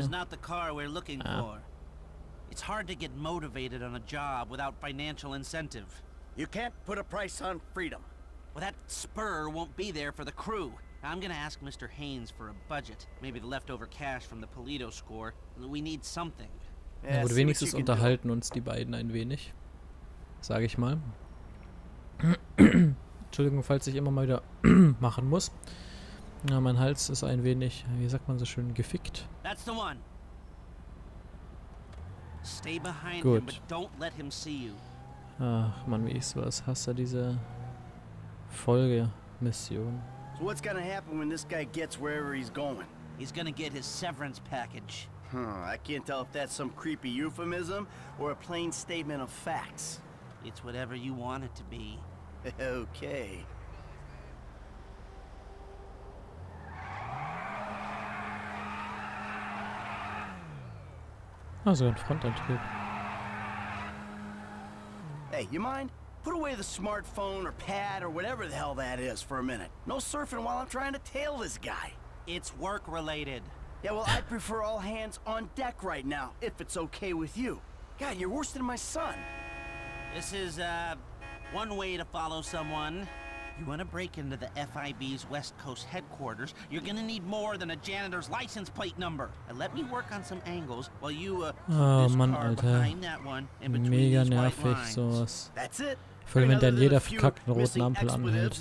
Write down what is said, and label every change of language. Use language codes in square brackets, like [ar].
[en] This is not the car we're looking for. It's hard to get motivated on a job without financial incentive. You can't put a price on freedom. Well, that spur won't be there for the crew. I'm gonna ask Mr. Haynes for a budget. Maybe the leftover cash from the Polito score. We need something. [de] Ja, gut, wenigstens unterhalten uns die beiden ein wenig. Sag ich mal. Entschuldigung, falls ich immer mal wieder machen muss. Ja, mein Hals ist ein wenig, wie sagt man so schön, gefickt. [en] That's the one. Stay behind him, but don't let him see you. [de] Ach man, wie ich sowas hasse, diese Folgemission. [en] So what's gonna happen when this guy gets wherever he's going? He's gonna get his severance package. I can't tell if that's some creepy euphemism or a plain statement of facts. It's whatever you want it to be. Okay. [de] Also ein Frontantrieb. [en] Hey, you mind? Put away the smartphone or pad or whatever the hell that is for a minute. No surfing while I'm trying to tail this guy. It's work related. Yeah, well, I prefer all hands on deck right now, if it's okay with you. God, you're worse than my son. This is, one way to follow someone. You want to break into the FIB's West Coast headquarters, you're gonna need more than a janitor's license plate number. And let me work on some angles while you, [de] mega nervig, sowas. [en] That's it. [de] Vor allem, wenn dann jeder verkackten roten Ampel anhält.